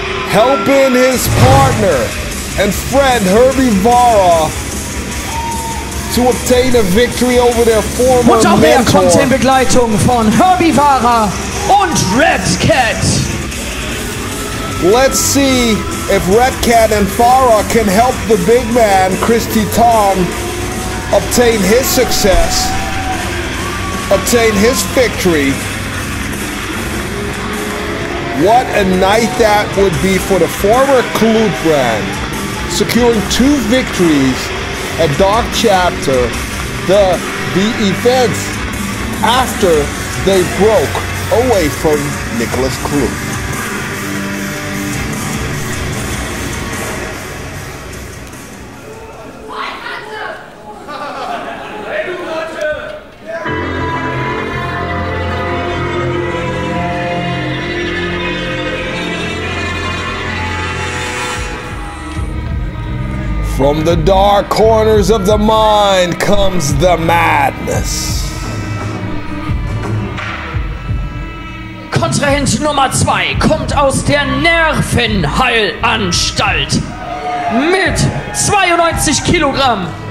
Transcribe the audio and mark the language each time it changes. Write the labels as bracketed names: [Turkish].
[English] Helping his partner and friend Herbi Vara to obtain a victory over their former mentor. [German] Und auch er kommt in Begleitung von Herbi Vara und Red Cat. [English] Let's see if Red Cat and Vara can help the big man, Chris Titan, obtain his success, obtain his victory. What a night that would be for the former Kluth brand, securing two victories at Dark Chapter, the event after they broke away from Nickolas Kluth. From the dark corners of the mind comes the madness. [German] Kontrahent Nummer 2 kommt aus der Nervenheilanstalt mit 92 Kilogramm.